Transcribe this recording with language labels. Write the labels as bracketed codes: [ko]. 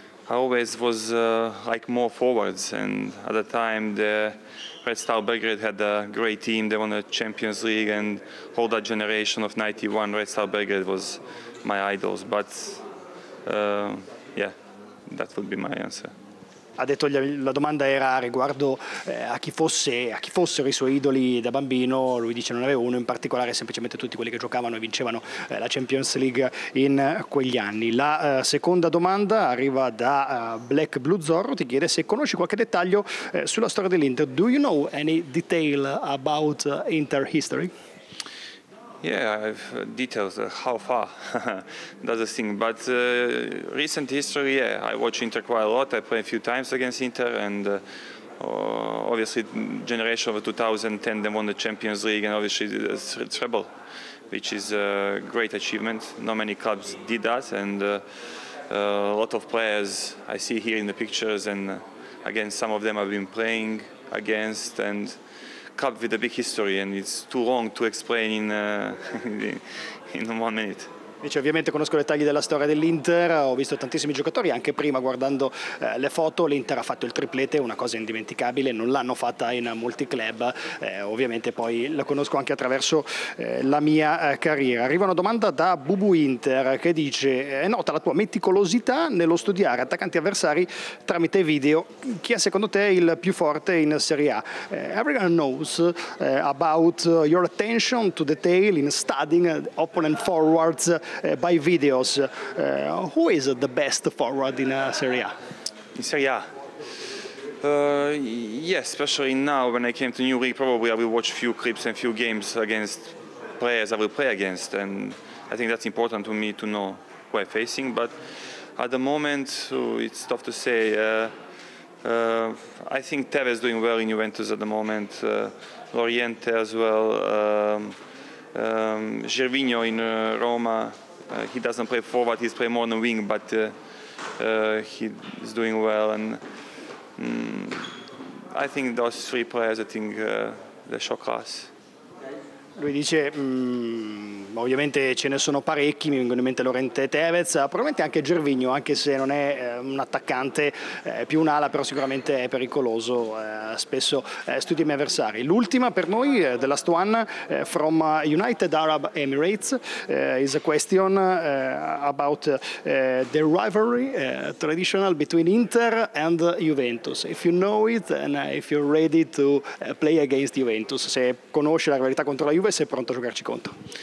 [en] I always was like more forwards, and at the time the Red Star Belgrade had a great team. They won the Champions League, and all that generation of 91 Red Star Belgrade was my idols. But that would be my answer. [it] Ha detto, la domanda era riguardo a chi fossero i suoi idoli da bambino. Lui dice non aveva uno in particolare, semplicemente tutti quelli che giocavano e vincevano la Champions League in quegli anni. La seconda domanda arriva da Black Blue Zorro, ti chiede se conosci qualche dettaglio sulla storia dell'Inter. [en] Do you know any detail about Inter history? Yeah, I've details how far does a thing, but recent history, I watch Inter quite a lot. I play a few times against Inter, and obviously generation of 2010, they won the Champions League, and obviously the treble, which is a great achievement. Not many clubs did that, and a lot of players I see here in the pictures, and again some of them I've been playing against, and club with a big history, and it's too long to explain in 1 minute. [it] Dice, ovviamente conosco i dettagli della storia dell'Inter, ho visto tantissimi giocatori anche prima guardando le foto. L'Inter ha fatto il triplete, una cosa indimenticabile, non l'hanno fatta in molti club, ovviamente poi la conosco anche attraverso la mia carriera. Arriva una domanda da Bubu Inter che dice: è nota la tua meticolosità nello studiare attaccanti avversari tramite video, chi è secondo te il più forte in Serie A? [en] Everyone knows about your attention to detail in studying opponent forwards by videos. Who is the best forward in Serie A? In Serie A? Especially now when I came to new league, probably I will watch a few clips and few games against players I will play against, and I think that's important to me to know who I'm facing. But at the moment, it's tough to say. I think Tevez is doing well in Juventus at the moment, Loriente as well. Gervinho in Roma, he doesn't play forward, he's playing more on the wing, but he's doing well. And I think those three players, I think they show class. [it] Lui dice, ovviamente ce ne sono parecchi, mi vengono in mente Lorente, Tevez, probabilmente anche Gervinho, anche se non è un attaccante più un'ala, però sicuramente è pericoloso, spesso studia i miei avversari. L'ultima per noi, [en] the last one from United Arab Emirates, is a question about the rivalry traditional between Inter and Juventus. If you know it and if you're ready to play against Juventus, [it] se conosci la rivalità contro la Juve, se è pronto a giocarci contro.